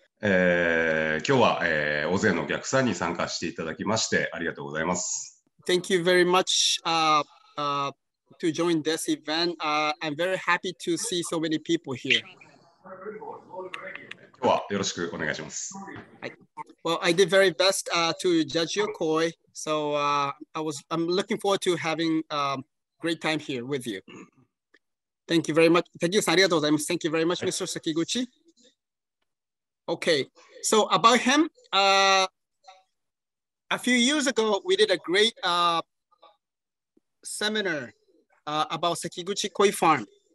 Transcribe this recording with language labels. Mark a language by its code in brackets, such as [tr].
[ja] 今日は、大勢のお客さんに参加していただきましてありがとうございます。 [en] Thank you very much to join this event. I'm very happy to see so many people here. [ja] 今日はよろしくお願いします。 [en] Well, I did very best to judge your koi, so I'm looking forward to having a great time here with you. Thank you very much. Thank you, [ja] ありがとうございます。 [en] Thank you very much, Mr. Sekiguchi. Okay, so about him, a few years ago, we did a great seminar about Sekiguchi Koi Farm.